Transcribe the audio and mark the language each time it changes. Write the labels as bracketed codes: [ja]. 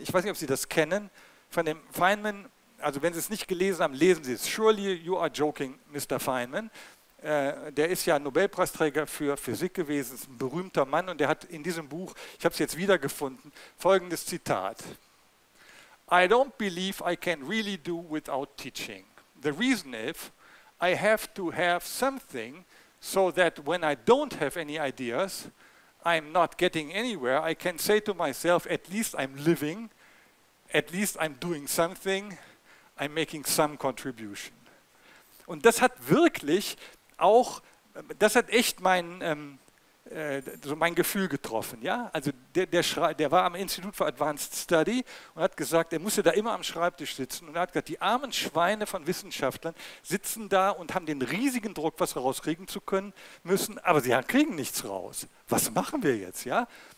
[de] Ich weiß nicht, ob Sie das kennen, von dem Feynman. Also wenn Sie es nicht gelesen haben, lesen Sie es. [en] Surely you are joking, Mr. Feynman. [de] Der ist ja Nobelpreisträger für Physik gewesen. Ist ein berühmter Mann. Und der hat in diesem Buch, ich habe es jetzt wiedergefunden, folgendes Zitat. [en] I don't believe I can really do without teaching. The reason is, I have to have something so that when I don't have any ideas, I'm not getting anywhere, I can say to myself, at least I'm living, at least I'm doing something, I'm making some contribution. [de] Und das hat wirklich auch, das hat echt mein Gefühl getroffen. Ja? Also der war am Institute for Advanced Study und hat gesagt, er musste da immer am Schreibtisch sitzen und er hat gesagt, die armen Schweine von Wissenschaftlern sitzen da und haben den riesigen Druck, was rauskriegen zu können müssen, aber sie kriegen nichts raus. Was machen wir jetzt? Ja?